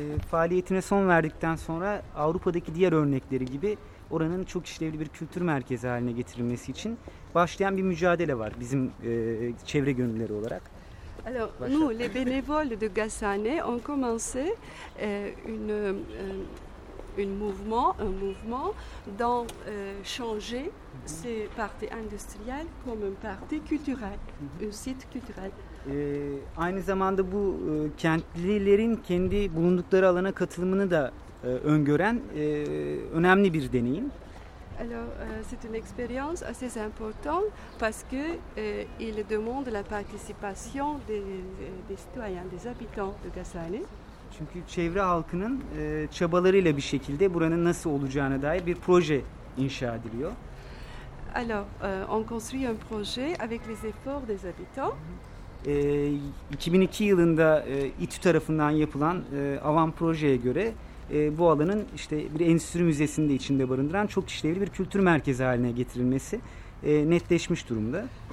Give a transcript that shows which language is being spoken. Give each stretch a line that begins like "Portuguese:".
Turkish: Faaliyetine son verdikten sonra Avrupa'daki diğer örnekleri gibi oranın çok işlevli bir kültür merkezi haline getirilmesi için başlayan bir mücadele var bizim çevre gönülleri olarak. Alors, başlattık.
French: Nous les bénévoles de Gassane ont commencé un mouvement dans changer ces parties industrielles comme une partie culturelle, un site culturel.
Turkish: Aynı zamanda bu kentlilerin kendi bulundukları alana katılımını da öngören önemli bir deneyim.
French: Alors, c'est une expérience assez importante parce que il demande la participation des citoyens, des habitants de Gassane.
Turkish: Çünkü çevre halkının çabalarıyla bir şekilde buranın nasıl olacağına dair bir proje inşa ediliyor.
French: Alors, on construit un projet avec les efforts des habitants.
Turkish: 2002 yılında İTÜ tarafından yapılan Avant projeye göre bu alanın işte bir endüstri müzesini de içinde barındıran çok işlevli bir kültür merkezi haline getirilmesi netleşmiş durumda.